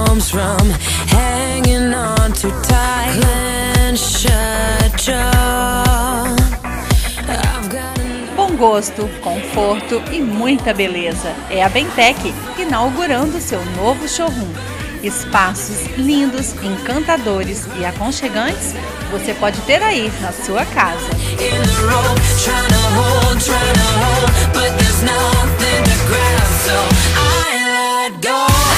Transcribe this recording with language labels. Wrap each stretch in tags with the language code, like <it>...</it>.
<en>From hanging on too tight, clenched jaw.</en> <pt>Bom gosto, conforto e muita beleza. É a Bentec inaugurando seu novo showroom. Espaços lindos, encantadores e aconchegantes você pode ter aí na sua casa.</pt> <en>In the road, trying to hold, but there's nothing to grab, so I let go.</en>